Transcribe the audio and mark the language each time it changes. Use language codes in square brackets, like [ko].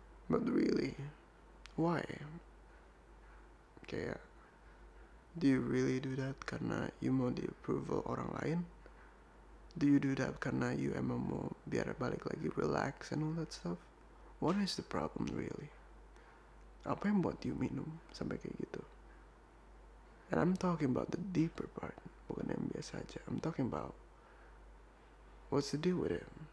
[en] But really, why? [id] Kayak, [en] do you really do that [id] karena [en] you [id] mau [en] the approval [id] orang lain? [en] Do you do that [id] karena [en] you [id] emang mau biar balik lagi [en] relax and all that stuff? What is the problem really? [id] Apa yang buat [en] you [id] minum sampai kayak gitu? [en] And I'm talking about the deeper part, bukan yang biasa aja. I'm talking about what's the deal with it?